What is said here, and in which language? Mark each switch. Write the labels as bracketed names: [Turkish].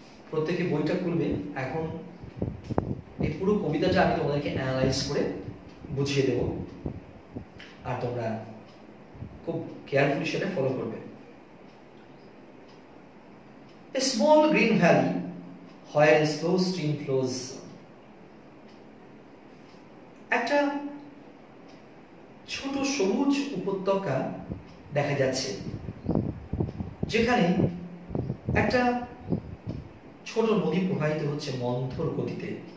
[Bangla] প্রত্যেকে বইটা খুলবে, এখন এই পুরো কবিতাটা আমি তোমাদেরকে অ্যানালাইজ করে বুঝিয়ে দেব আর তোমরা খুব কেয়ারফুলি সেটা ফলো করবে। [English] A small green valley where a slow stream flows. [Bangla] একটা ছোট সবুজ উপত্যকা দেখা যাচ্ছে যেখানে একটা ছোট নদী প্রবাহিত হচ্ছে মন্থর গতিতে।